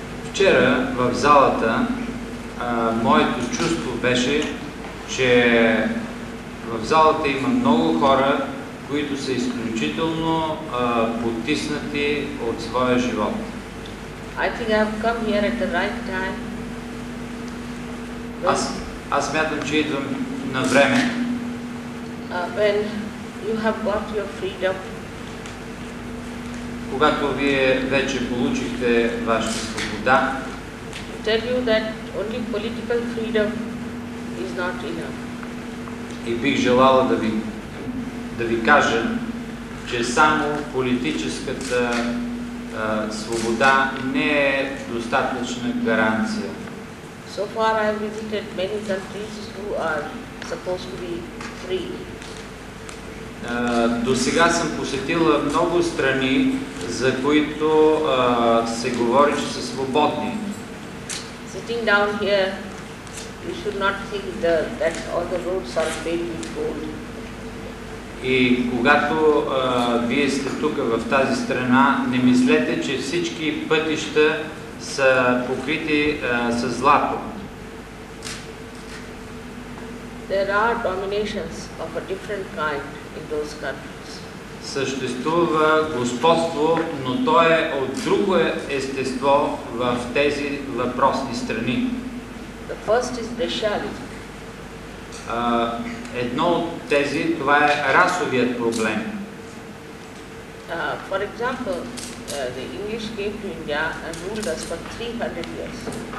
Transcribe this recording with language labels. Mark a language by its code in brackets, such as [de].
[bg] Вчера в залата моето чувство беше, че в залата има много хора, които са изключително потиснати от своя живот. [en] I think I've come here at the right time. [bg] Аз смятам, че идвам на време. [en] When you have got your freedom. [bg] Когато вие вече получихте вашата свобода. [en] I tell you that only political freedom is not enough. [bg] И бих желала да ви кажа, че само политическата свобода не е достатъчна гаранция. [en] So far I've visited many countries who are supposed to be free. [bg] До сега съм посетила много страни, за които се говори, че са свободни. [en] Sitting down here, you should not think that all the roads are paved with gold. [bg] И когато вие сте тук в тази страна, не мислете, че всички пътища са покрити с злато. [en] There are dominations of a different kind in those countries. [bg] Съществува господство, но то е от друго естество в тези въпросни страни. [en] The first is racialism. [bg] Едно от тези, това е расовият проблем. [en] For example, the English came to India and ruled us for 300 years.